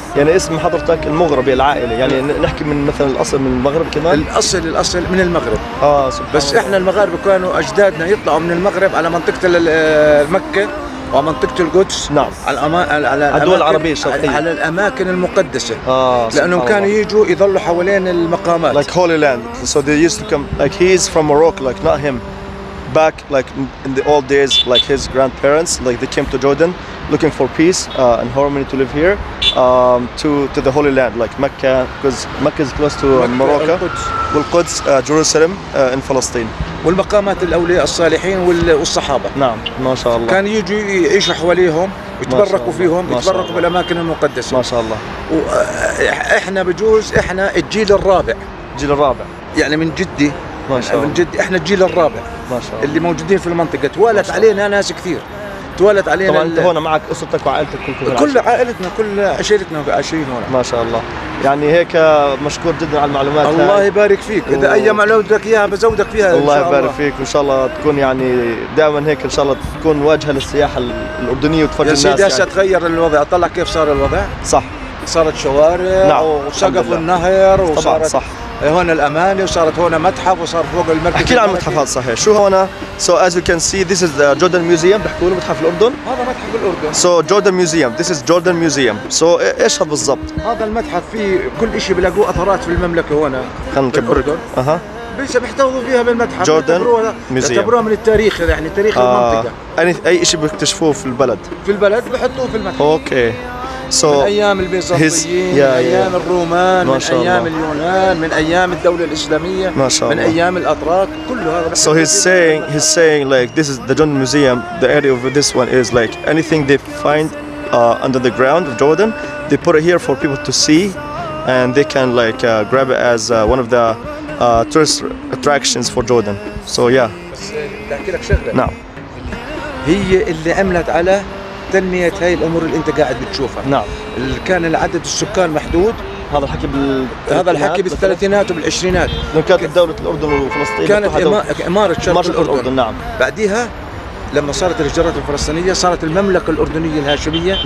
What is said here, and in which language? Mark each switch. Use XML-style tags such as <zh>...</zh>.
<ar>يعني اسم حضرتك المغربي العائله يعني نحكي من مثلا الاصل من المغرب كمان الاصل من المغرب سبحان بس الله. احنا المغاربه كانوا اجدادنا يطلعوا من المغرب على منطقه مكه ومنطقه القدس نعم على الدول العربيه الشرقيه على الاماكن المقدسه لانهم كانوا يجوا يظلوا حوالين المقامات</ar> <en>like holy land so they used to come like he's from Morocco like not him back like in the old days like his grandparents like they came to Jordan looking for peace and harmony to live here to the holy land like Mecca because Mecca is close to Morocco والقدس Jerusalem in Palestine</en> <ar>والمقامات الأولياء الصالحين والصحابة نعم ما شاء الله كان يجوا يعيشوا حواليهم يتبركوا فيهم يتبركوا بالأماكن المقدسة ما شاء الله وإحنا بجوز إحنا الجيل الرابع يعني من جدي ما شاء الله من جدي احنا الجيل الرابع ما شاء الله اللي موجودين في المنطقه توالت علينا ناس كثير توالت علينا طبعا هون معك اسرتك وعائلتك كل عائلتنا كل عشيرتنا عايشين هون ما شاء الله يعني هيك مشكور جدا على المعلومات الله هاي. يبارك فيك اذا اي معلومه بدك اياها بزودك فيها الله يبارك فيك وان شاء الله تكون يعني دائما هيك ان شاء الله تكون واجهه للسياحه الاردنيه وتفرج الناس يا سيدي هسه تغير الوضع طلع كيف صار الوضع صح صارت شوارع نعم. وسقف النهر طبعا صح هنا الأمانة وصارت هنا متحف وصار فوق المركز احكي لنا عن المتحف هذا صحيح شو هنا</ar> <en>so as you can see this is the Jordan Museum</en> <ar>بحكوا له متحف الأردن هذا متحف الأردن</ar> <en>so Jordan Museum this is Jordan Museum so</en> <ar>ايش هذا بالضبط هذا المتحف فيه كل إشي بلاقوه أثرات في المملكة هنا خلينا نكبرك بيش بيحتفظوا فيها بالمتحف</ar> <en>Jordan Museum</en> <ar>يعتبروها من التاريخ يعني تاريخ المنطقة أي إشي بيكتشفوه في البلد بحطوه في المتحف</ar> <en>okay So</en> <ar>من أيام البيزنطيين his,</ar> <en>yeah,</en> <ar>من أيام</ar> <en>yeah.</en> <ar>الرومان من أيام الله. اليونان من أيام الدولة الإسلامية من الله. أيام الأتراك كله هذا</ar> <en>So he's saying like this is the Jordan Museum the area of this one is like anything they find under the ground of Jordan they put it here for people to see and they can like grab it as one of the tourist attractions for Jordan So yeah</en> <ar>بدي أحكي لك شغلة هي اللي عملت على تنمية هاي الأمور اللي أنت قاعد بتشوفها. نعم. كان العدد السكان محدود. هذا الحكي بالثلاثينات وبالعشرينات. لما كانت دولة الأردن وفلسطين. كانت إمارة شرق الأردن. الأردن. نعم. بعديها لما صارت الهجرات الفلسطينية صارت المملكة الأردنية الهاشمية.</ar>